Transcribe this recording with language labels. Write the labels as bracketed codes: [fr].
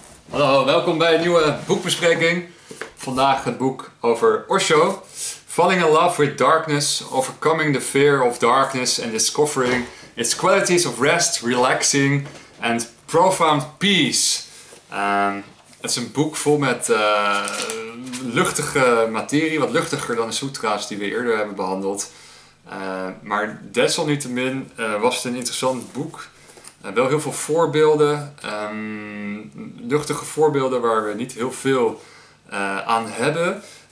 [nl] Hallo, welkom bij een nieuwe boekbespreking. Vandaag het boek over Osho. [en] Falling in love with darkness, overcoming the fear of darkness and discovering its qualities of rest, relaxing and profound peace. [nl] Het is een boek vol met luchtige materie, wat luchtiger dan de sutra's die we eerder hebben behandeld. Maar desalniettemin was het een interessant boek. Wel heel veel voorbeelden, luchtige voorbeelden waar we niet heel veel aan hebben.